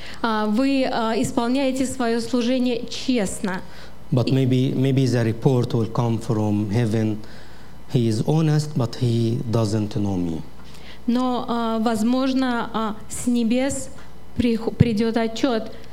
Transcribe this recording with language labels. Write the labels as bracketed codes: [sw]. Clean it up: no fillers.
[ru] Вы исполняете свое служение честно. [en] But maybe the report will come from heaven. He is honest, but he doesn't know me. [ru] Но, возможно, с небес придет отчет.